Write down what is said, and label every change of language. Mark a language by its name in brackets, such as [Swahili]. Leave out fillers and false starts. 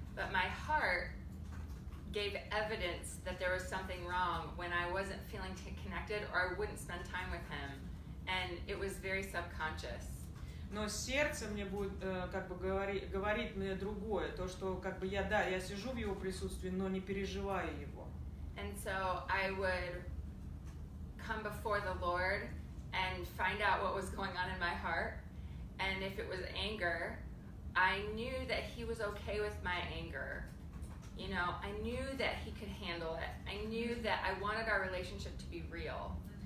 [English] But my heart gave evidence that there was something wrong when I wasn't feeling connected or I wouldn't spend time with Him, and it was very subconscious. [Russian] Но сердце мне будет как бы говорит мне другое, то что как бы я сижу в Его присутствии, но не переживаю Его. [English] And so I would come before the Lord and find out what was going on in my heart, and if it was anger, I knew that He was okay with my anger. You know, I knew that He could handle it. I knew that I wanted our relationship to be real.